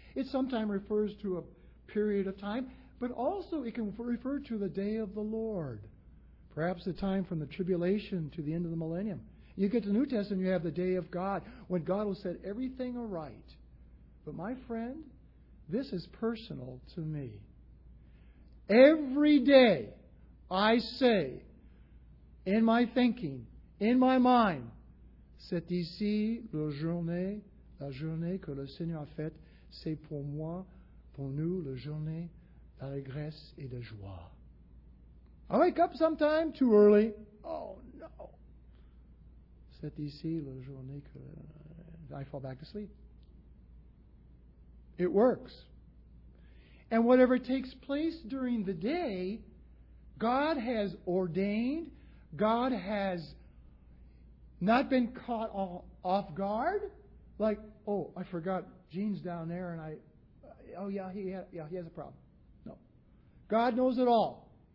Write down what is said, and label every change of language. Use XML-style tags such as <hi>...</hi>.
<en>It sometimes refers to a period of time. But also it can refer to the day of the Lord. Perhaps the time from the tribulation to the end of the millennium. You get to the New Testament, you have the day of God, when God will set everything aright. But my friend, this is personal to me. Every day, I say, in my thinking, in my mind,</en> <fr>c'est ici la journée que le Seigneur a faite, c'est pour moi, pour nous, la journée d'allégresse et de joie.</fr> <en>I wake up sometime too early. Oh, no.</en> <fr>C'est ici la journée que</fr> <en>I fall back to sleep. It works. And whatever takes place during the day, God has ordained, God has not been caught off guard. Like, oh, I forgot Gene's down there and I, oh yeah, he has a problem. No. God knows it all.</en>